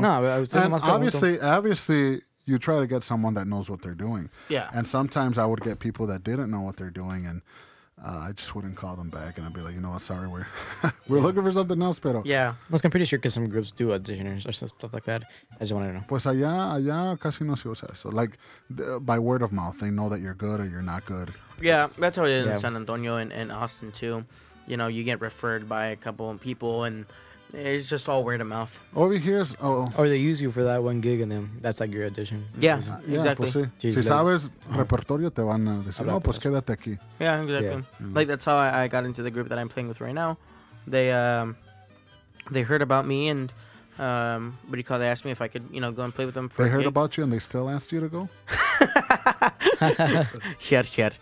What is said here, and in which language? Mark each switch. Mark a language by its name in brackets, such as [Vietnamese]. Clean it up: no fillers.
[English] No, I was saying obviously you try to get someone that knows what they're doing. Yeah. And sometimes I would get people that didn't know what they're doing and, I just wouldn't call them back and I'd be like, you know what? Sorry. We're looking for something else, [Spanish] pero. [English] Yeah. I'm pretty sure because some groups do auditioners or stuff like that. I just want to know. [Spanish] Pues allá casi no se usa eso. [English] Like, by word of mouth, they know that you're good or you're not good. Yeah, that's how it is in San Antonio and Austin, too. You know, you get referred by a couple of people and it's just all word of mouth. Over here is... Or they use you for that one gig and then that's like your audition. Yeah, exactly. Yeah, [Spanish] pues sí. Si sabes repertorio, te van a decir, pues quédate aquí. [English] Yeah, exactly. Yeah. Like, that's how I got into the group that I'm playing with right now. They heard about me and they asked me if I could, you know, go and play with them for They heard about you and they still asked you to go?